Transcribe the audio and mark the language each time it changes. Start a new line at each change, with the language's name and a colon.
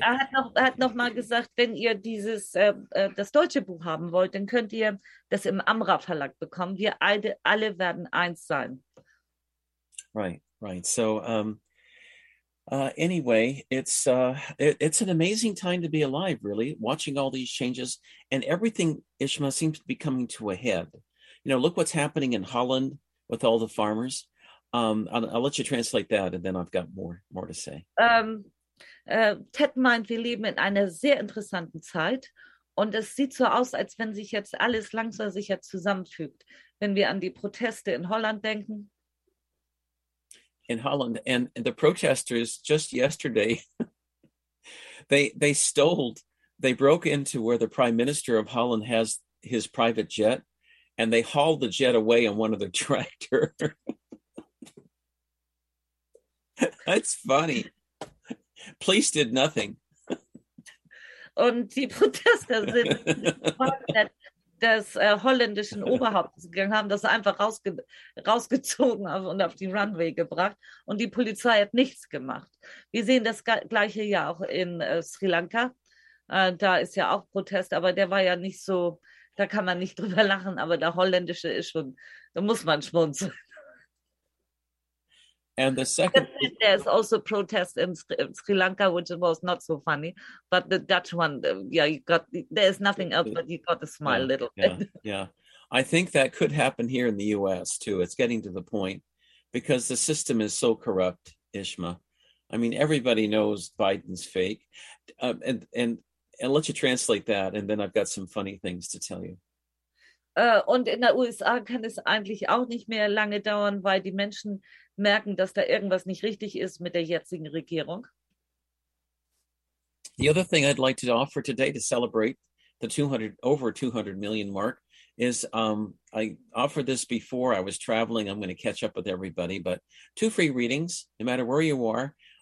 German: Er hat noch mal gesagt, wenn ihr dieses das deutsche Buch haben wollt, dann könnt ihr das im Amra Verlag bekommen. Wir alle werden eins sein.
English: Right. So anyway, it's an amazing time to be alive, really, watching all these changes and everything, Ishma, seems to be coming to a head. You know, look what's happening in Holland with all the farmers. I'll let you translate that, and then I've got more to say.
German: Ted meint, wir leben in einer sehr interessanten Zeit, und es sieht so aus, als wenn sich jetzt alles langsam sicher zusammenfügt, wenn wir an die Proteste in Holland denken.
English: In Holland, and the protesters just yesterday, they broke into where the Prime Minister of Holland has his private jet, and they hauled the jet away in one of their tractor. That's funny. Police did nothing.
German: Und die Protester sind des holländischen Oberhauptes gegangen, haben das einfach rausgezogen und auf die Runway gebracht. Und die Polizei hat nichts gemacht. Wir sehen das gleiche ja auch in Sri Lanka. Da ist ja auch Protest, aber der war ja nicht so, da kann man nicht drüber lachen, aber der holländische ist schon, da muss man schmunzeln.
English: And the second, there's also protests in Sri Lanka, which was not so funny, but the Dutch one, there's nothing else, but you got to smile a little bit. Yeah. I think that could happen here in the US too. It's getting to the point because the system is so corrupt, Ishma. I mean, everybody knows Biden's fake. And let you translate that, and then I've got some funny things to tell you.
German: Und in der USA kann es eigentlich auch nicht mehr lange dauern, weil die Menschen merken, dass da irgendwas nicht richtig ist mit der jetzigen Regierung.
English: The other thing I'd like to offer today to celebrate the 200, over 200 million mark is, I offered this before I was traveling. I'm going to catch up with everybody, but two free readings, no matter where you are.